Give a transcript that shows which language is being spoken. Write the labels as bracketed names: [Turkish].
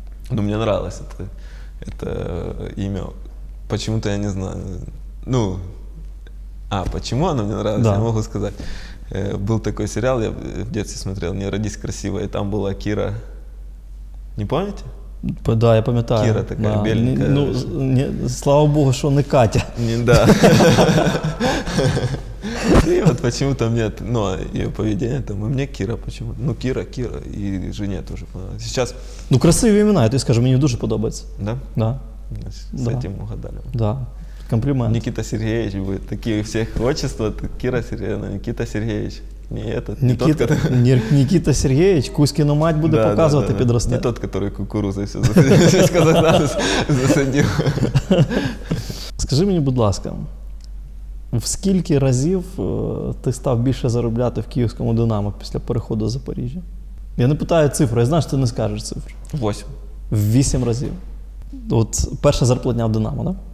[Russian] Ну, мне нравилось это имя. Почему-то я не знаю. Ну... А, почему оно мне нравилось, да. Я могу сказать. Был такой сериал, я в детстве смотрел, «Не родись красивой», и там была Кира. Не помните? [Ukrainian] Да, я пам'ятаю. Кира така, да. Беленька. Ну, не, слава Богу, що не Катя. Не, да. [Russian] І от почему-то мне, ну, ее поведение там, и мне Кира почему. Ну, Кира, и жене тоже. Сейчас... [Ukrainian] Ну, красиві імена, я тобі скажу, мені дуже подобається. [Russian] Да? Да. С этим угадали. Да. Комплімент. Никита Сергеевич будет. Такие у всех отчества, Кира Сергеевна, Никита Сергеевич. Не этот, Никита, не [Ukrainian] тот, Никита Сергеевич, Кузькину мать буде, да, показувати, да, да, підросте. [Russian] Не тот, который кукурузой все засадил, Казахстан засадил. [Ukrainian] Скажи мені, будь ласка, в скільки разів ти став більше заробляти в київському «Динамо» після переходу в Запоріжжя? Я не питаю цифру, я знаю, що ти не скажеш цифру. Вісім. Вісім разів. От перша зарплатня в «Динамо», так?